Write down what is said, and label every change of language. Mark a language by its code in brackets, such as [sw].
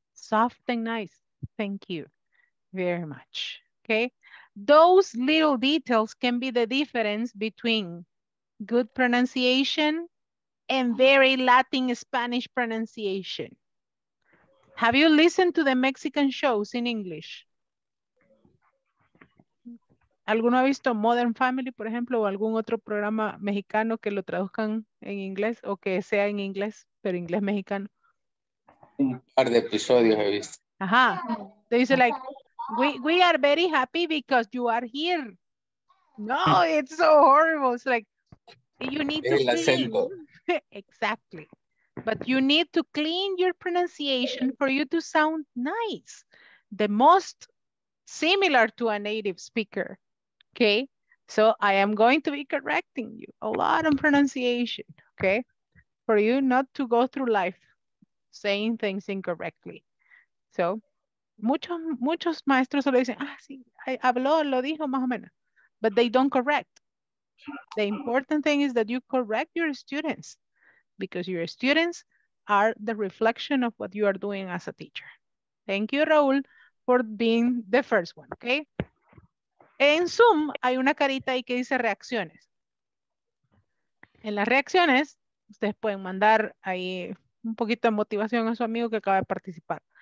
[en] Soft and nice. Thank you very much. Okay. Those little details can be the difference between good pronunciation and very Latin Spanish pronunciation. Have you listened to the Mexican shows in English? [es] ¿Alguno ha visto Modern Family, por ejemplo, o algún otro programa mexicano que lo traduzcan en inglés o que sea en inglés, pero inglés mexicano? Un par de episodios he visto. Ajá. [en] They say like, we are very happy because you are here. No, it's so horrible. It's like, you need to clean. Exactly. But you need to clean your pronunciation for you to sound nice. The most similar to a native speaker. Okay, so I am going to be correcting you a lot on pronunciation, okay? For you not to go through life saying things incorrectly. [es] So, muchos maestros solo dicen, ah, sí, habló, lo dijo, más o menos. [en] But they don't correct. The important thing is that you correct your students because your students are the reflection of what you are doing as a teacher. Thank you, Raúl, for being the first one, okay? [es] En Zoom hay una carita ahí que dice reacciones. En las reacciones, ustedes pueden mandar ahí un poquito de motivación a su amigo que acaba de participar.